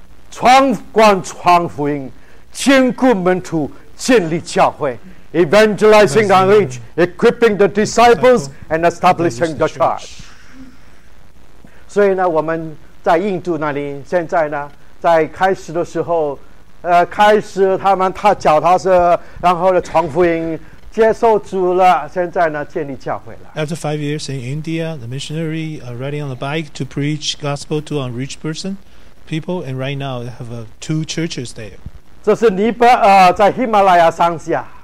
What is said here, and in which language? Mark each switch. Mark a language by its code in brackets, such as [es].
[zh] 传福音，兼顾门徒，建立教会 ， [en] evangelizing the rich, equipping the disciples, and establishing the church。 [zh] 所以呢，我们在印度那里，现在呢，在开始的时候，开始他们踏脚踏车，然后呢，传福音，接受主了。现在呢，建立教会了。 [en] After 5 years in India, the missionary riding on the bike to preach gospel to unreached person. People and right now they have two churches there. [zh] 这是尼泊尔在喜马拉雅山下。